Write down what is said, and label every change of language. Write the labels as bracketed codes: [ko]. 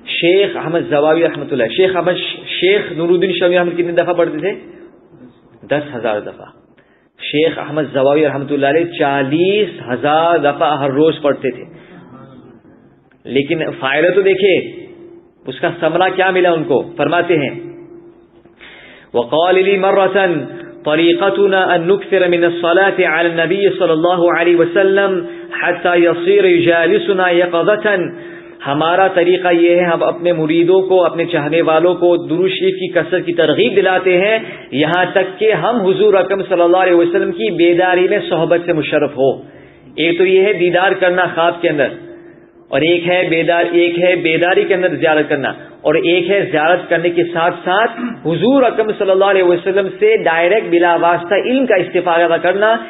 [ur] شیخ احمد زواوی رحمۃ اللہ, شیخ احمد, شیخ نور الدین شامی احمد کتنی دفعہ پڑھتے تھے؟ 10,000 دفعہ. شیخ احمد زواوی رحمۃ اللہ علیہ 40,000 دفعہ ہر روز پڑھتے تھے. لیکن فائدہ تو دیکھے, اس کا ثمرہ کیا ملا ان کو. فرماتے ہیں [ar] وقال لي مرة طريقتنا أن نكثر من الصلاة على النبي صلى الله عليه وسلم حتى يصير يجالسنا يقظة. [ur] ہمارا طریقہ یہ ہے, ہم اپنے مریدوں کو اپنے چاہنے والوں کو درود شریف کی کثرت کی ترغیب دلاتے ہیں یہاں تک کہ ہم حضور اکرم صلی اللہ علیہ وسلم کی بیداری میں صحبت سے مشرف ہو. ایک تو یہ ہے دیدار کرنا خواب کے اندر, اور ایک ہے بیداری کے اندر زیارت کرنا, اور ایک ہے زیارت کرنے کے ساتھ ساتھ حضور اکرم صلی اللہ علیہ وسلم سے ڈائریکٹ بلا واسطہ علم کا استفادہ کرنا.